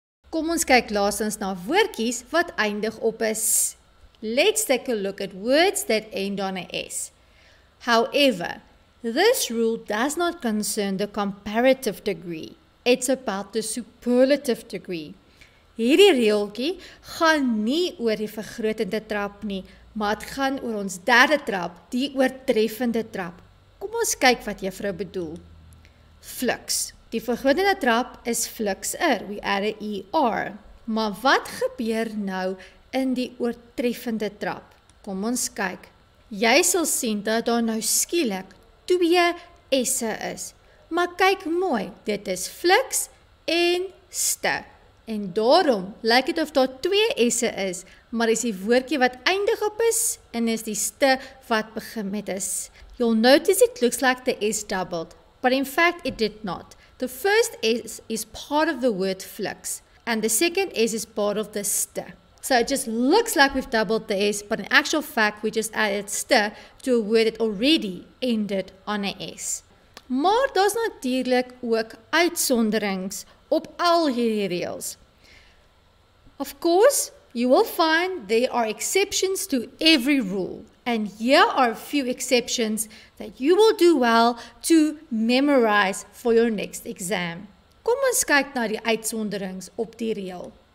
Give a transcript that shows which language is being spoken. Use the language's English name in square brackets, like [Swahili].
[Afrikaans] Kom ons kyk laastens na woordjies wat eindig op 'n s. [English] Let's take a look at words that end on a s. However, this rule does not concern the comparative degree. It's about the superlative degree. [Afrikaans] Hierdie reeltjie gaan nie oor die vergrotende trap nie, maar het gaan oor ons derde trap, die oortreffende trap. Kom ons kyk wat juffrou bedoel. Flux. Die vergrotende trap is fluxer. [English] We add a er. [Afrikaans] Maar wat gebeur nou in die oortreffende trap? Kom ons kyk. Jy sal sien dat daar nou skielik twee esse is. Maar kyk mooi, dit is flux en ste. En daarom lyk dit of daar twee esse is, maar is die woordjie wat eindig op is en is die ste wat begin met is. [English] You'll notice it looks like the s doubled, but in fact it did not. The first s is part of the word flux and the second s is part of the ste. So it just looks like we've doubled the S, but in actual fact, we just added ste to a word that already ended on a S. [Afrikaans] Maar daar's natuurlik ook uitsonderings op al hierdie reëls. [English] Of course, you will find there are exceptions to every rule. And here are a few exceptions that you will do well to memorize for your next exam. [Afrikaans] Kom ons kyk na die uitsonderings op die reël.